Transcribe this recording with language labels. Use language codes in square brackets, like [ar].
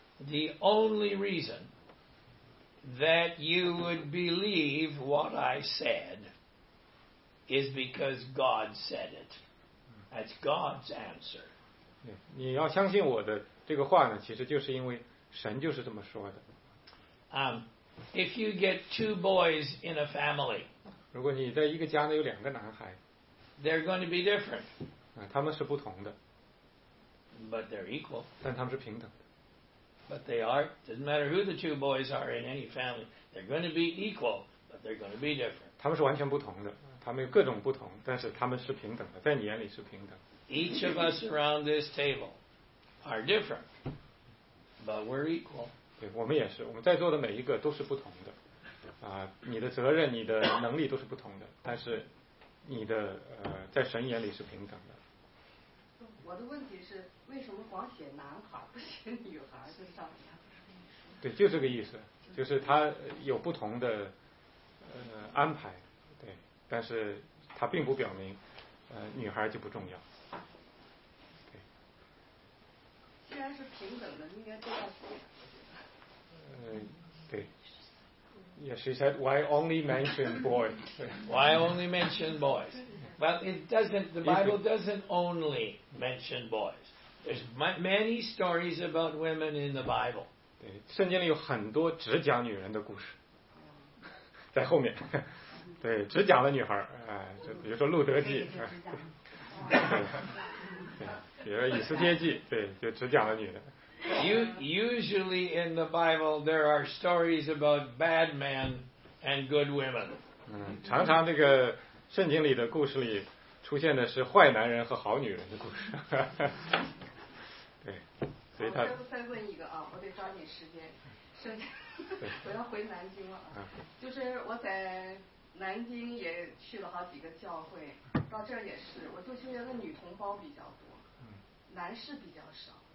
[en] The only reason that you would believe what I said is because God said it. That's God's answer. [zh] 你要相信我的这个话呢，其实就是因为神就是这么说的。 [en] If you get two boys in a family, [zh] 如果你在一个家呢有两个男孩， [en] they're going to be different. [zh] 他们是不同的。 [en] But they're equal. [zh] 但他们是平等的。 [en] But they are. Doesn't matter who the two boys are in any family. They're going to be equal, but they're going to be different. [zh] 他们是完全不同的，他们有各种不同，但是他们是平等的，在你眼里是平等。 [en] Each of us around this table are different, but we're equal. [zh] 对，我们也是，我们在座的每一个都是不同的。你的责任、你的能力都是不同的，但是你的在神眼里是平等的。我的问题是，为什么光写男孩不写女孩身上呀？对，就这个意思，就是他有不同的安排，对，但是他并不表明女孩就不重要。对，既然是平等的，应该都要写。对。 [en] Yes, she said, why only mention boys? Why only mention boys? Well, it doesn't, the Bible doesn't only mention boys. There's many stories about women in the Bible. [zh] 对，圣经里有很多只讲女人的故事。在后面。对，只讲了女孩。就比如说路德记。比如说以斯帖记，对，就只讲了女的。 [en] Usually in the Bible, there are stories about bad men and good women. [zh] 常常这个圣经里的故事里出现的是坏男人和好女人的故事。对，所以他。我再问一个啊，我得抓紧时间，我要回南京了。就是我在南京也去了好几个教会，到这儿也是，我就觉得女同胞比较多，男士比较少。